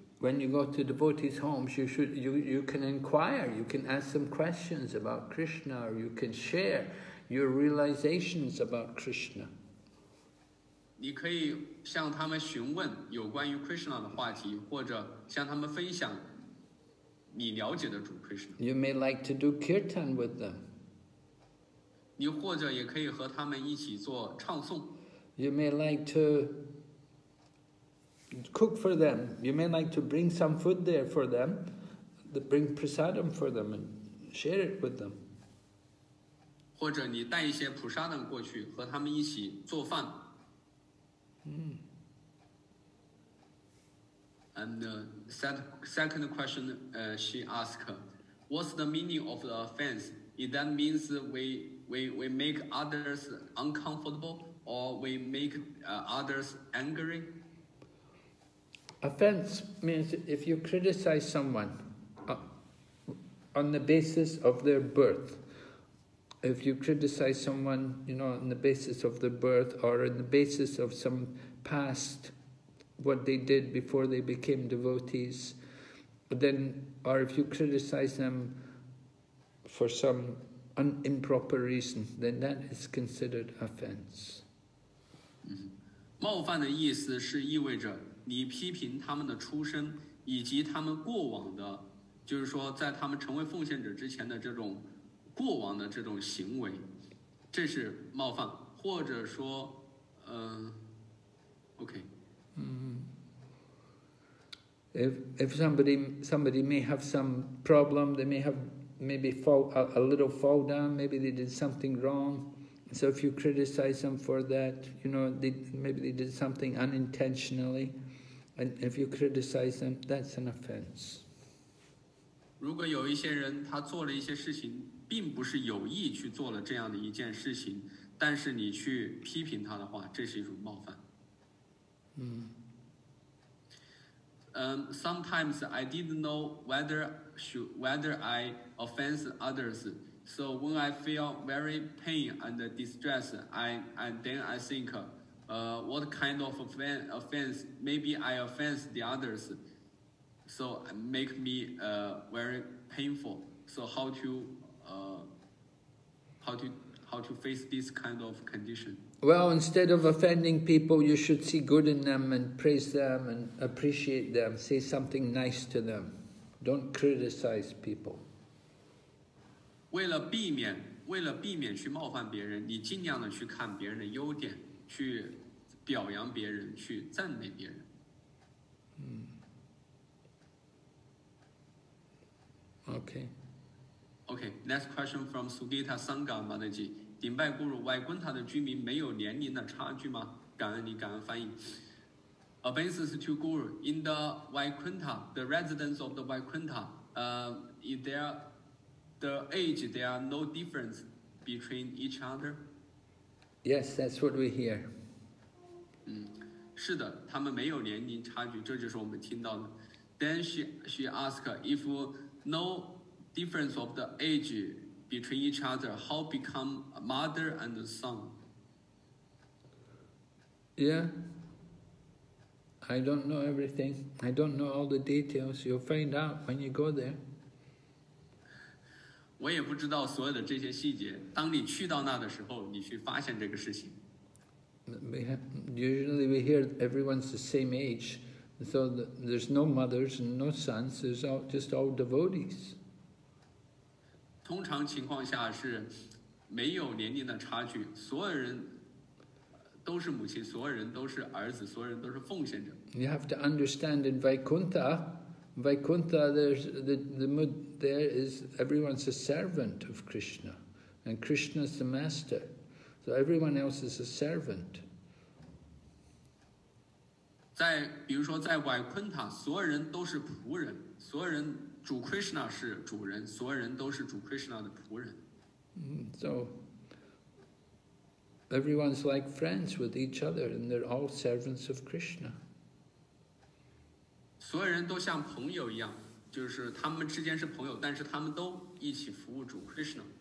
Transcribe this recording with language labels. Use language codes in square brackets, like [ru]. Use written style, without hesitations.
[en] When you go to devotee's homes, you can inquire, you can ask some questions about Krishna, or you can share your realizations about Krishna. [zh] 你可以向他们询问有关于 Krishna 的话题，或者向他们分享你了解的主 Krishna. [en] You may like to do kirtan with them. [zh] 你或者也可以和他们一起做唱诵。 [en] You may like to cook for them. You may like to bring some food there for them, bring prasadam for them and share it with them. [zh] 或者你带一些普沙丹过去和他们一起做饭。嗯。 [en] And the second question she asked, what's the meaning of the offense? Is that means we make others uncomfortable or we make others angry? Offense means if you criticize someone on the basis of their birth, if you criticize someone, you know, on the basis of their birth or on the basis of some past what they did before they became devotees, then, or if you criticize them for some improper reason, then that is considered offense. [zh] 冒犯的意思是意味着你批评他们的出身以及他们过往的，就是说在他们成为奉献者之前的这种过往的这种行为，这是冒犯，或者说，OK。 [en] If somebody may have some problem, they may have maybe a little fall down, maybe they did something wrong. So if you criticize them for that, you know, maybe they did something unintentionally, and if you criticize them, that's an offense. [zh] 如果有一些人他做了一些事情，并不是有意去做了这样的一件事情，但是你去批评他的话，这是一种冒犯。 [en] Sometimes I didn't know whether I offend others. So when I feel very pain and distress, I think, what kind of offense? Maybe I offend the others. So make me very painful. So how to face this kind of condition? Well, instead of offending people, you should see good in them and praise them and appreciate them. Say something nice to them. Don't criticize people. [zh] 为了避免去冒犯别人，你尽量的去看别人的优点，去表扬别人，去赞美别人。 [en] Okay. Okay. Next question from Sugita Sangha Mataji. [zh] 顶拜孤乳外观他的居民没有年龄的差距吗？感恩你，感恩翻译。 [en] Obeisance to Guru. In the Vaikuntha, the residents of the Vaikuntha, there are no difference between each other? Yes, that's what we hear. [zh] 是的，他们没有年龄差距，这就是我们听到的。 [en] Then she asked, if no difference of the age,between each other, how become a mother and a son? Yeah. I don't know everything. I don't know all the details. You'll find out when you go there. [zh] 我也不知道所有的这些细节。当你去到那的时候，你去发现这个事情。 [en] Usually we hear everyone's the same age. So there's no mothers and no sons. There's just all devotees. [zh] 通常情况下是没有年龄的差距，所有人都是母亲，所有人都是儿子，所有人都是奉献者。 [en] You have to understand in Vaikuntha, there's the mood there is everyone's a servant of Krishna, and Krishna's the master, so everyone else is a servant. [zh] 在比如说在 Vaikuntha, 所有人都是仆人，所有人。主 Krishna 是主人，所有人都是主 Krishna 的仆人。 [en] So everyone's like friends with each other, and they're all servants of Krishna. [zh] 所有人都像朋友一样，就是他们之间是朋友，但是他们都一起服务主 Krishna.